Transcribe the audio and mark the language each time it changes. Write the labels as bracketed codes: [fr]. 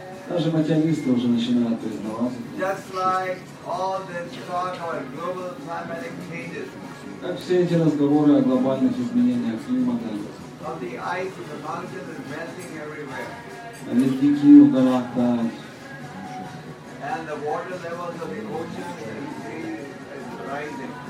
[ru] Даже материалисты уже начинают признавать это. [en] Just like all this talk about global climatic changes. [ru] Как все эти разговоры о глобальных изменениях климата. [en] Of the ice in the mountains is melting everywhere. And the water levels of the oceans and the seas is rising.